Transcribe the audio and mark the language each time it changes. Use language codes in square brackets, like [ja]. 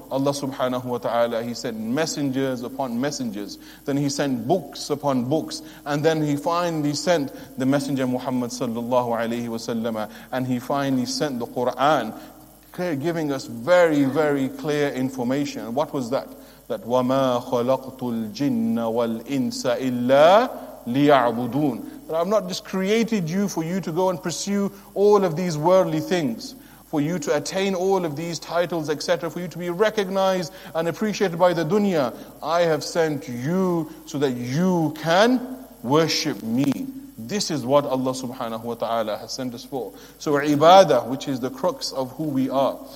[en] Allah subhanahu wa ta'ala, He sent messengers upon messengers. Then He sent books upon books. And then He finally sent the messenger Muhammad sallallahu alayhi wa sallam. And He finally sent the Qur'an, giving us very, very clear information. What was that? [ar] That وَمَا خَلَقْتُ الْجِنَّ وَالْإِنسَ إِلَّا لِيَعْبُدُونَ. [en] That I've not just created you for you to go and pursue all of these worldly things, for you to attain all of these titles, etc., for you to be recognized and appreciated by the dunya. I have sent you so that you can worship me. This is what Allah subhanahu wa ta'ala has sent us for. So ibadah, which is the crux of who we are.